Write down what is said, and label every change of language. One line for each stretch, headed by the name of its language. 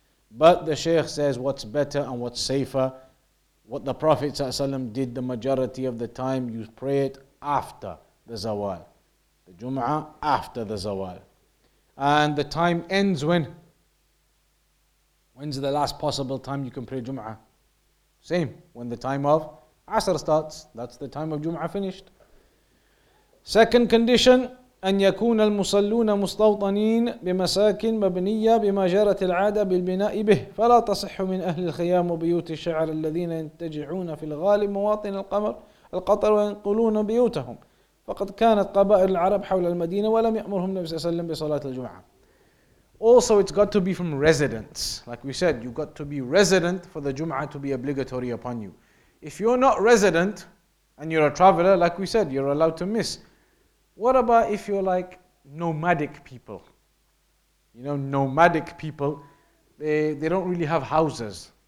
English: But the Shaykh says what's better and what's safer, what the Prophet ﷺ did the majority of the time, you pray it after the zawal. The Jum'ah after the zawal. And the time ends when? When's the last possible time you can pray Jum'ah? Same, when the time of Asr starts, that's the time of Jum'ah finished. Second condition,
Arabic: أن يكون المصلون مستوطنين بمساكن مبنية بما جرت العادة بالبناء به فلا تصح من أهل الخيام وبيوت الشعر الذين ينتجعون في الغالب مواطن القمر القطر وينقلون بيوتهم فقد كانت قبائل العرب حول المدينة ولم يأمرهم النبي صلى الله عليه وسلم بصلاة الجمعة.
English: Also, it's got to be from residents. Like we said, you got to be resident for the Jum'ah to be obligatory upon you. If you're not resident and you're a traveler, like we said, you're allowed to miss. What about if you're like nomadic people? You know, nomadic people, they don't really have houses.